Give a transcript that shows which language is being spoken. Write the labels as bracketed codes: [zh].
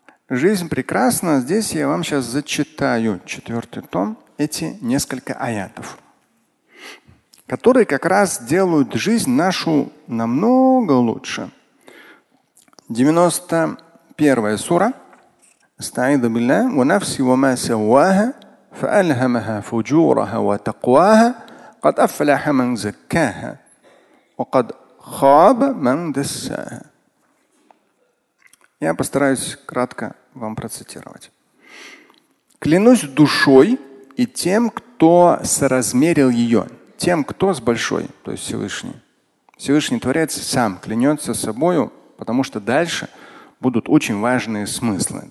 [ru] Жизнь прекрасна. Здесь я вам сейчас зачитаю четвертый том, эти несколько аятов, которые как раз делают жизнь нашу намного лучше. 91-я сура. [ar] أستعيذ بالله ونفسي وما سواها فألهمها فجورها وتقواها قد أفلح من زكاها وقد خاب من دساها. [ru] Я постараюсь кратко вам процитировать. Клянусь душой и тем, кто соразмерил ее, тем, кто с большой, то есть Всевышний. Всевышний Творец сам клянется собою, потому что дальше будут очень важные смыслы.